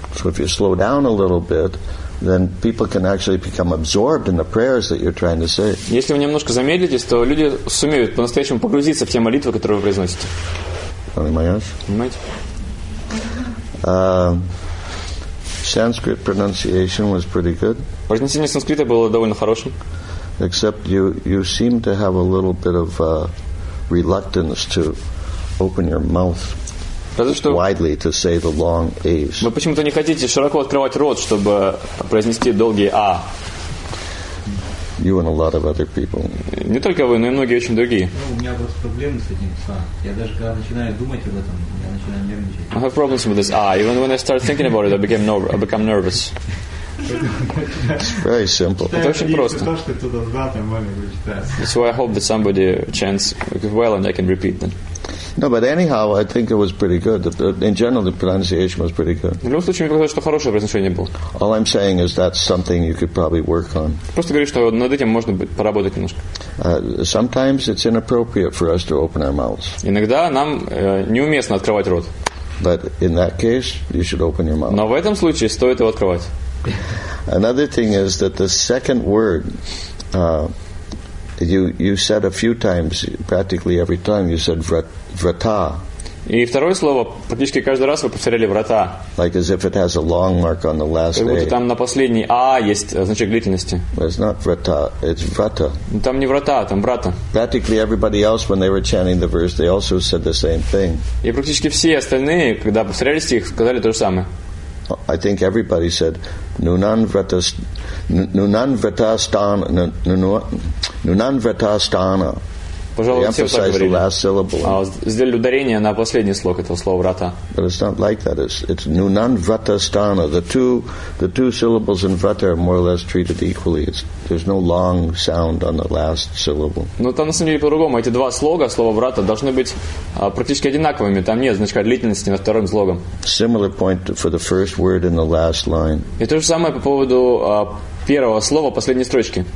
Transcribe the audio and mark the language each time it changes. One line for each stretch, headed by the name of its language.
English: So if you slow down a little bit, then people can actually become absorbed in the prayers that you're trying to say.
Russian: Если вы немножко замедлитесь, то люди сумеют по-настоящему погрузиться в те молитвы, которые вы произносите. Понимаете?
English: Sanskrit pronunciation was pretty good.
Russian: Произношение санскрита было довольно хорошим.
English: Except you seem to have a little bit of reluctance to open your mouth widely to say the long A's.
Russian: Вы почему-то не хотите широко открывать рот, чтобы произнести долгие А.
English: You and a lot of other people.
Russian: Не только вы, но и многие очень другие. Ну, у меня просто проблемы с этим. Я даже когда начинаю думать об этом, я начинаю нервничать.
English: I have problems with this. Even when I start thinking about it, I become nervous. It's very simple.
Russian: Это очень просто.
English: That's why I hope that somebody chants well and I can repeat them. No, but anyhow, I think it was pretty good. In general, the pronunciation was pretty good.
Russian: В любом случае, мне показалось, что хорошее произношение было.
English: All I'm saying is that's something you could probably work on.
Russian: Просто говорю, что над этим можно поработать немножко.
English: Sometimes it's inappropriate for us to open our mouths.
Russian: Иногда нам неуместно открывать рот.
English: But in that case, you should open your mouth.
Russian: Но в этом случае стоит его открывать.
English: Another thing is that the second word... You said a few times, practically every time, you said врата.
Russian: И второе слово практически каждый раз вы повторяли врата.
English: Like as if it has a long mark on the last
Russian: A. Как будто там на последней А есть значок длительности.
English: Well, it's not врата, it's врата.
Russian: Там не врата, там брата.
English: Practically everybody else, when they were chanting the verse, they also said the same thing.
Russian: И практически все остальные, когда повторяли стих, сказали то же самое.
English: I think everybody said Nunan vratastana.
Russian: Пожалуй,
English: they emphasized the last syllable.
Russian: Сделали ударение на последний слог этого слова врата.
English: But it's not like that. It's Nunan vratastana. The two syllables in vrata are more or less treated equally. There's no long sound on the last syllable.
Russian: Но там на самом деле по-другому. Эти два слога, слово врата, должны быть практически одинаковыми. Там нет значка длительности на втором слоге.
English: Similar point for the first word in the last line.
Russian: И то же самое по поводу первого слова последней строчки.